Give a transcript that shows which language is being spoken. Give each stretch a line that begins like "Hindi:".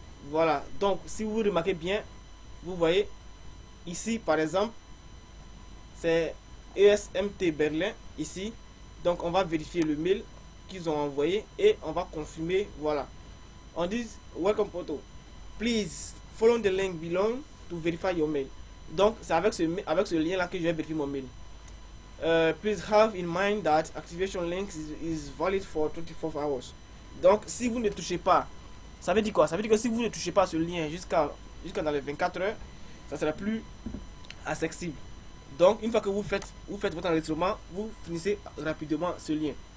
French: Voilà, donc si vous remarquez bien, vous voyez ici par exemple, c'est ESMT Berlin ici. Donc on va vérifier le mail qu'ils ont envoyé et on va confirmer. Voilà, on dit
English: Welcome Poto, please follow the link below to verify your mail.
French: Donc c'est avec ce lien là que je vais vérifier mon mail.
English: Please have in mind that activation link is valid for 24 hours.
French: Donc si vous ne touchez pas. Ça veut dire quoi? Ça veut dire que si vous ne touchez pas ce lien jusqu'à dans les 24 heures, ça sera plus accessible. Donc, une fois que vous faites votre enregistrement, vous finissez rapidement ce lien.